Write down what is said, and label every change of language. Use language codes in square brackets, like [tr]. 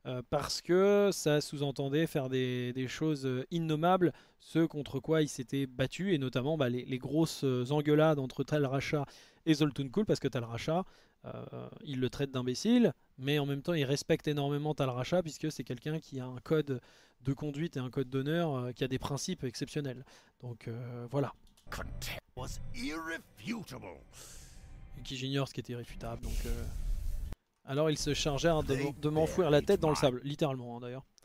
[fr] Parce que ça sous-entendait faire des choses innommables, ce contre quoi il s'était battu, et notamment bah, les grosses engueulades entre Tal Rasha et Zoltun Kool, parce que Tal Rasha, il le traite d'imbécile, mais en même temps il respecte énormément Tal Rasha, puisque c'est quelqu'un qui a un code de conduite et un code d'honneur, qui a des principes exceptionnels. Donc voilà. [en] Contempt was irrefutable. [fr] Et qui j'ignore ce qui était irréfutable, donc... Alors ils se chargèrent de m'enfouir la tête dans le sable, littéralement, hein, d'ailleurs.